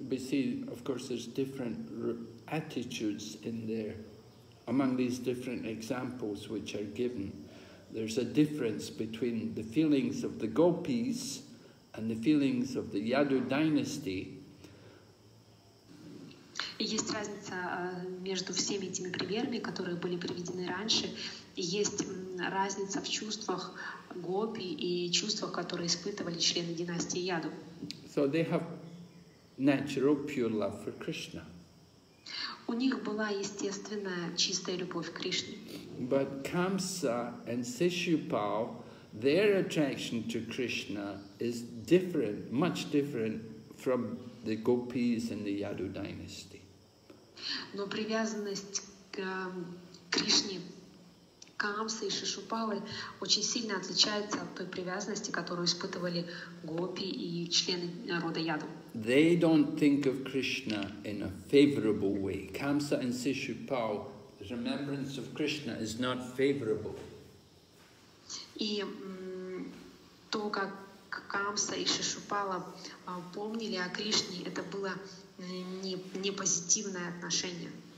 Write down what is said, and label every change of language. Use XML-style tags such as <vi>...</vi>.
<en>We see, of course, there's different attitudes in there among these different examples which are given. There's a difference between the feelings of the gopis and the feelings of the Yadu dynasty.</en> <ru>Есть разница между всеми этими примерами, которые были приведены раньше. Есть разница в чувствах гопи и чувствах, которые испытывали члены династии Яду.</ru> <en>So they have natural pure love for Krishna.</en> <ru>У них была естественная чистая любовь к Кришне.</ru> <en>But Kamsa and Sishupal, their attraction to Krishna is different, much different from the gopis and the Yadu dynasty.</en> <ru>Но привязанность к Кришне Камса и Шишупалы очень сильно отличается от той привязанности, которую испытывали гопи и члены рода Яду.</ru> <en>They don't think of Krishna in a favorable way. Kamsa and Sishupal, the remembrance of Krishna is not favorable.</en> <ru>И то, как Камса и Шишупала помнили о Кришне, это было не позитивное отношение.</ru>